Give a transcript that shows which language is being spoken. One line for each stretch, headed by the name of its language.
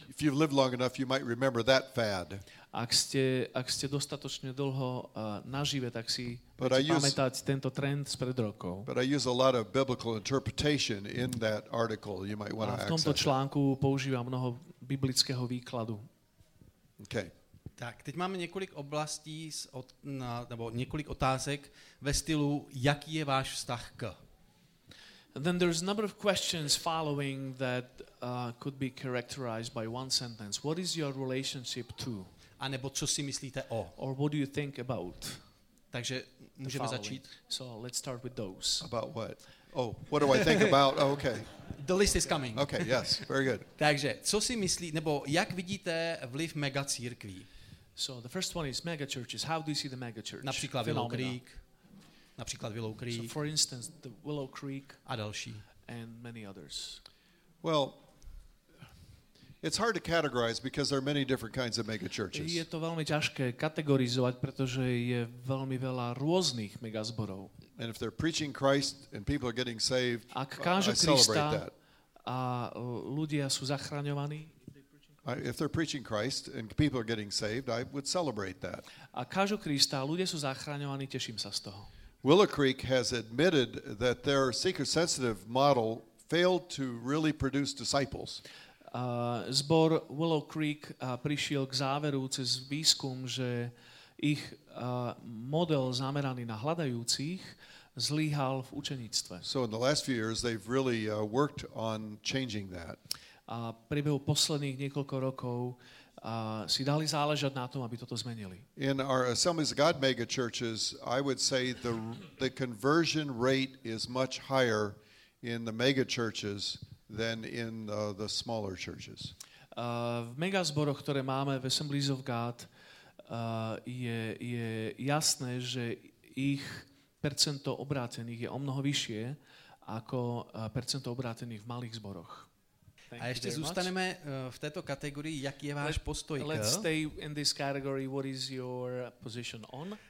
English: If you've lived long enough, you might remember that fad.
Slovak: Ak ste dostatočne dlho nažive, tak si pamätať tento trend spred rokov.
English: But I use a lot of biblical interpretation in that article. You might want to access.
Slovak: V tomto článku používam mnoho biblického výkladu.
English: Okay.
Czech: Tak, teď máme několik oblastí nebo několik otázek ve stylu jaký je váš vztah k.
English: then there's a number of questions following that could be characterized by one sentence. What is your relationship to?
Czech: A nebo co si myslíte o?
English: Or what do you think about?
Czech: Takže můžeme začít.
English: So let's start with those. About what? Oh, what do I think about? Oh, okay. The list is coming. Okay, yes, very good.
Czech: Takže co si myslí, nebo jak vidíte vliv mega církví?
English: So the first one is mega churches. How do you see the mega church?
Czech: Například Willow Creek. Například Willow Creek.
English: So for instance, the Willow Creek.
Czech: A další.
English: And many others. Well, it's hard to categorize because there are many different kinds of mega churches.
Czech: Je to velmi těžké kategorizovat, protože je velmi veľa různých mega zborů.
English: And if they're preaching Christ and people are getting saved, I celebrate that.
Slovak: A ľudia sú zachraňovaní.
English: If they're preaching Christ and people are getting saved, I would celebrate that.
Slovak: A kážu Krista, ľudia sú zachraňovaní, teším sa z toho.
English: Willow Creek has admitted that their seeker-sensitive model failed to really produce disciples.
Slovak: Zbor Willow Creek prišiel k záveru cez výskum, že ich model zameraný na hľadajúcich zlyhal v učeníctve.
English: So in the last few years they've really worked on changing that.
Slovak: A priebehu posledných niekoľko rokov si dali záležať na tom, aby toto zmenili.
English: In our Assemblies of God mega churches, I would say the conversion rate is much higher in the mega churches than in the smaller churches.
Slovak: V mega zboroch, ktoré máme v Assemblies of God, je jasné, že ich percento obrátených je omnoho vyššie ako percento obrátených v malých zboroch.
Czech: Thank a ještě zůstaneme v této kategorii, jaký je váš postoj?
English: Let's stay in this category, what is your position on?